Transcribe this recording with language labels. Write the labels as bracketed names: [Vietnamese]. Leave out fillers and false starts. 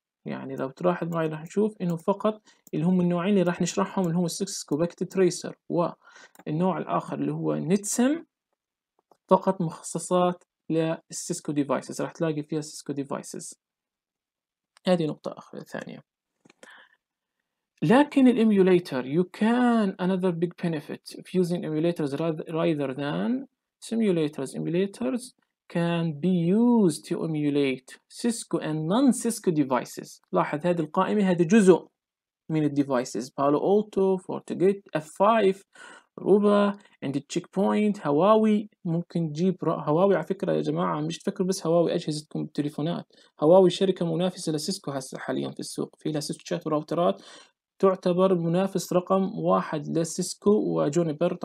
[Arabic] يعني لو تلاحظ معي راح نشوف انه فقط اللي هم النوعين اللي راح نشرحهم اللي هم السيسكو باكت تريسر والنوع الاخر اللي هو نتسم فقط مخصصات للسيسكو ديفايسز، راح تلاقي فيها سيسكو ديفايسز. هذه نقطة أخرى ثانية. لكن الإيميوليتر [English] you can another big benefit of using emulators rather than simulators. Emulators can be used to emulate Cisco and non-Cisco devices. [Arabic] لاحظ هذه القائمة، هذا جزء من الـ devices. Palo Alto, FortiGate, F5, روبا، عند التشيك بوينت، هواوي. ممكن تجيب هواوي، على فكره يا جماعه مش تفكروا بس هواوي اجهزتكم بالتليفونات، هواوي شركه منافسه لسيسكو هسه حاليا في السوق، في لها سويتشات وراوترات تعتبر منافس رقم واحد لسيسكو وجونيبر.